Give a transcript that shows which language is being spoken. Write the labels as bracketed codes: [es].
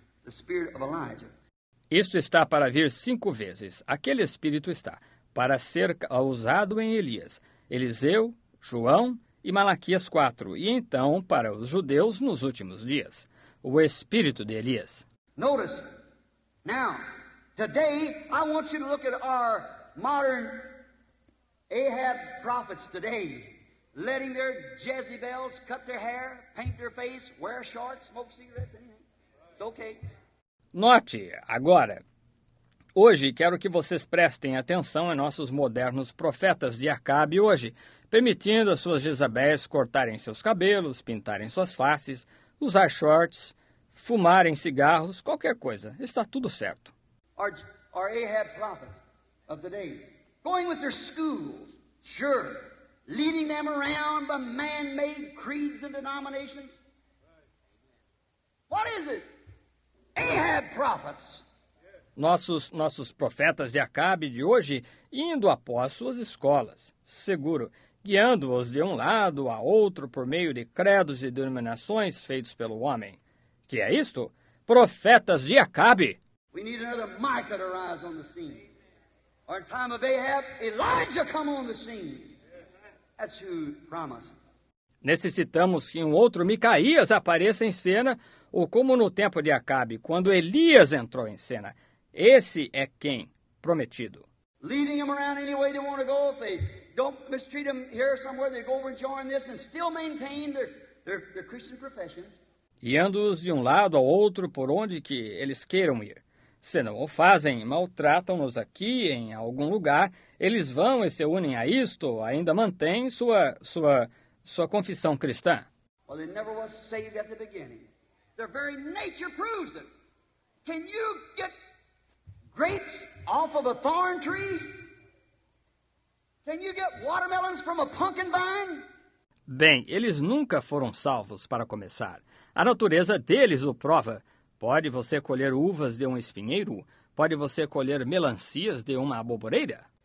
[en] The spirit of Elijah. [pt] Isso está para vir cinco vezes. Aquele espírito está para ser usado em Elias. Eliseu, João, e Malaquias 4, e então para os judeus nos últimos dias, o espírito de Elias. [en] Notice, now, today I want you to look at our modern Ahab prophets today, letting their Jezebels cut their hair, paint their face, wear shorts, smoke cigarettes, anything. It's okay. [pt] Note, agora, hoje quero que vocês prestem atenção em nossos modernos profetas de Acabe hoje, permitindo as suas Jezabéis cortarem seus cabelos, pintarem suas faces, usar shorts, fumarem cigarros, qualquer coisa. Está tudo certo. [en] Our Ahab prophets of the day, going with their schools, sure, leading them around by man-made creeds and denominations? What is it? Ahab prophets. [pt] Nossos profetas de Acabe de hoje indo após suas escolas, seguro, guiando-os de um lado a outro por meio de credos e denominações feitos pelo homem. Que é isto? Profetas de Acabe! [en] We need another Micah to rise on the scene. Or in time of Ahab, Elijah come on the scene. That's who promised. [pt] Necessitamos que um outro Micaías apareça em cena, ou como no tempo de Acabe, quando Elias entrou em cena. Esse é quem? Prometido. [en] Leading them around any way they want to go. If they don't mistreat them here somewhere, they go over and join this and still maintain their Christian profession. [pt] Guiando-os de um lado ao outro por onde que eles queiram ir. Se não o fazem, maltratam-nos aqui em algum lugar, eles vão e se unem a isto, ainda mantêm sua confissão cristã. [en] Well, they never was saved at the beginning. Their very nature proves it. Can you get grapes off of a thorn tree? Can you get watermelons from a pumpkin vine? [pt] Bem, eles nunca foram salvos para começar. A natureza deles o prova. Pode você colher uvas de um espinheiro? Pode você colher melancias de uma aboboreira?